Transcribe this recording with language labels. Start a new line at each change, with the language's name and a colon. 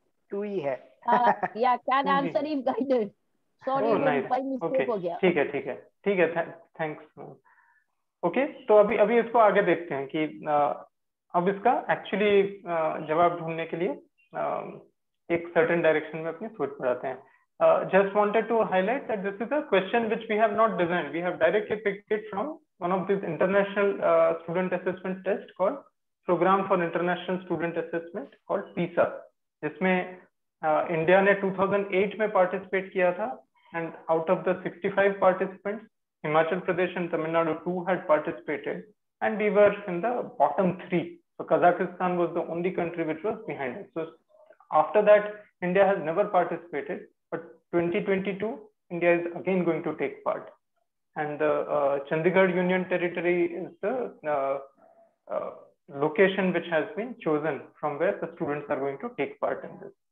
Hindi: 2 hi hai.
English: Yeah, can answer if guided. Sorry, by mistake
Hindi: ho gaya. Theek hai, theek hai. Theek hai, thanks. Okay, so abhi isko aage dekhte hain ki अब इसका actually जवाब ढूंढने के लिए एक certain direction में अपनी सोच बढ़ाते हैं.
English: Just wanted to highlight that this is a question which we have not designed. We have directly picked it from one of these international student assessment test called Program for International Student Assessment called PISA.
Hindi: जिसमें India ने 2008 में participate किया था
English: And out of the 65 participants Himachal Pradesh and Tamil Nadu too had participated and we were in the bottom three. So Kazakhstan was the only country which was behind it. So after that India has never participated but 2022 India is again going to take part and the Chandigarh union territory is the location which has been chosen from where the students are going to take part in this.